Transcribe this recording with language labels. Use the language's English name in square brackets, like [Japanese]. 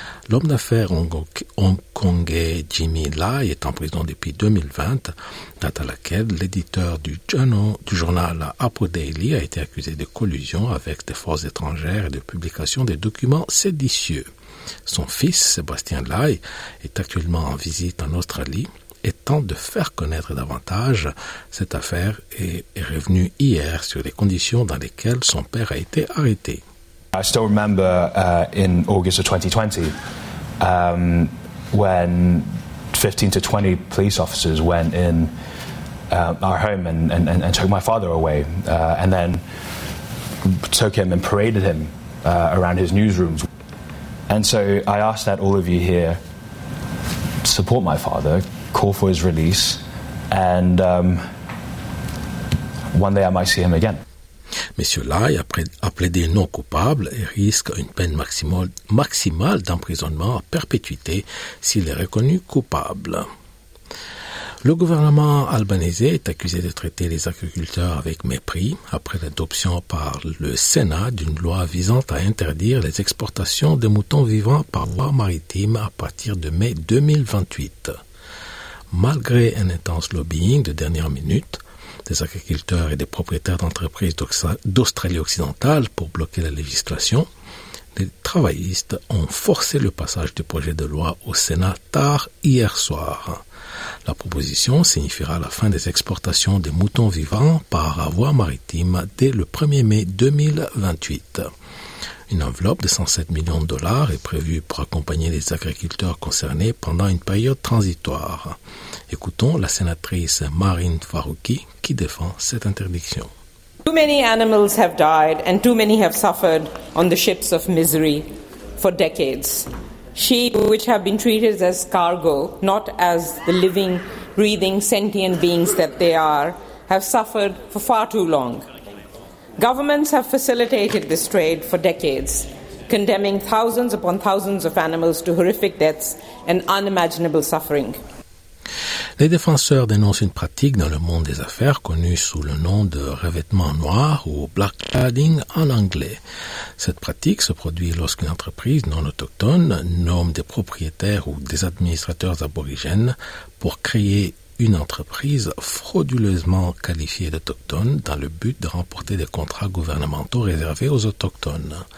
[French] L'homme d'affaires hongkongais Jimmy Lai est en prison depuis 2020, date à laquelle l'éditeur du journal Apple Daily a été accusé de collusion avec des forces étrangères et de publication de documents séditieux. Son fils, Sébastien Lai, est actuellement en visite en Australie et tente de faire connaître davantage cette affaire et est revenu hier sur les conditions dans lesquelles son père a été arrêté. [English] I still remember in August of 2020 when 15 to 20 police officers went in our home and took my father away and then took him and paraded him around his newsrooms. And so I ask that all of you here support my father, call for his release, and one day I might see him again. [French] Monsieur Lai a plaidé non coupable et risque une peine maximale d'emprisonnement à perpétuité s'il est reconnu coupable. Le gouvernement albanaisé est accusé de traiter les agriculteurs avec mépris après l'adoption par le Sénat d'une loi visant à interdire les exportations de moutons vivants par voie maritime à partir de mai 2028. Malgré un intense lobbying de dernière minute, des agriculteurs et des propriétaires d'entreprises d'Australie-Occidentale pour bloquer la législation, les travaillistes ont forcé le passage du projet de loi au Sénat tard hier soir. La proposition signifiera la fin des exportations des moutons vivants par voie maritime dès le 1er mai 2028. Une enveloppe de 107 millions de dollars est prévue pour accompagner les agriculteurs concernés pendant une période transitoire. Écoutons la sénatrice Marine Farouki qui défend cette interdiction. [English] Too many animals have died and too many have suffered on the ships of misery for decades. Sheep which have been treated as cargo, not as the living, breathing, sentient beings that they are, have suffered for far too long. Governments have facilitated this trade for decades, condemning thousands upon thousands of animals to horrific deaths and unimaginable suffering. [French] Les défenseurs dénoncent une pratique dans le monde des affaires connue sous le nom de revêtement noir ou black cladding en anglais. Cette pratique se produit lorsqu'une entreprise non autochtone nomme des propriétaires ou des administrateurs aborigènes pour créer une entreprise frauduleusement qualifiée d'autochtone dans le but de remporter des contrats gouvernementaux réservés aux autochtones.